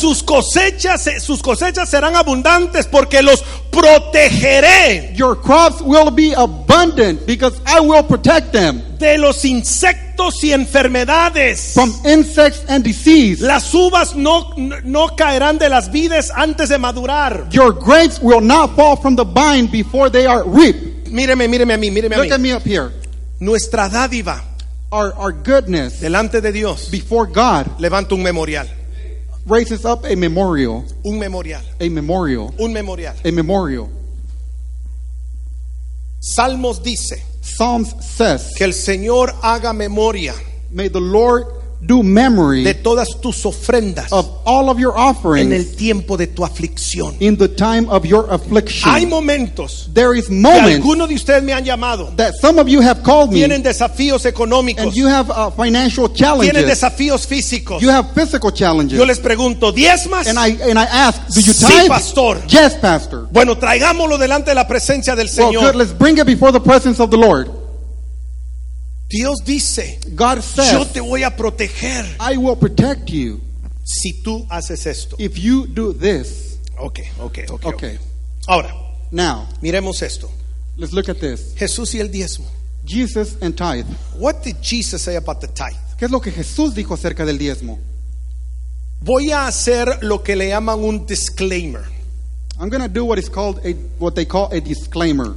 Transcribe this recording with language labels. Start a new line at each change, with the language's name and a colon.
Spanish: Si sus cosechas serán abundantes porque los protegeré.
English: Your crops will be abundant because I will protect them.
Spanish: De los insectos y enfermedades.
English: From insects and disease.
Spanish: Las uvas no caerán de las vides antes de madurar.
English: Your grapes will not fall from the vine before they are ripe.
Spanish: Míreme a mí.
English: Look at me up here.
Spanish: Nuestra dádiva.
English: Our goodness
Spanish: delante de Dios,
English: before God,
Spanish: levanta un memorial,
English: raises up a memorial,
Spanish: un memorial,
English: a memorial,
Spanish: un memorial,
English: a memorial.
Spanish: Salmos dice,
English: Psalms says,
Spanish: que el Señor haga memoria,
English: may the Lord do memory,
Spanish: de todas tus ofrendas,
English: of all of your offerings,
Spanish: en el tiempo de tu aflicción,
English: in the time of your affliction.
Spanish: Hay momentos,
English: there is moments,
Spanish: que algunos de ustedes me han llamado,
English: that some of you have called me,
Spanish: tienen desafíos económicos,
English: and you have financial challenges,
Spanish: tienen desafíos físicos,
English: you have physical challenges.
Spanish: Yo les pregunto, ¿diezmas?
English: And I ask, do you tithe?
Spanish: Sí, pastor.
English: Yes, pastor.
Spanish: Bueno, traigámoslo delante de la presencia del Señor.
English: Well, good, let's bring it before the presence of the Lord.
Spanish: Dios dice,
English: God says,
Spanish: yo te voy a proteger.
English: I will protect you.
Spanish: Si tú haces esto.
English: If you do this. Okay.
Spanish: Ahora,
English: now,
Spanish: miremos esto.
English: Let's look at this.
Spanish: Jesús y el diezmo.
English: Jesus and tithe. What did Jesus say about the tithe?
Spanish: ¿Qué es lo que Jesús dijo acerca del diezmo? Voy a hacer lo que le llaman un disclaimer.
English: I'm going to do what is called what they call a disclaimer.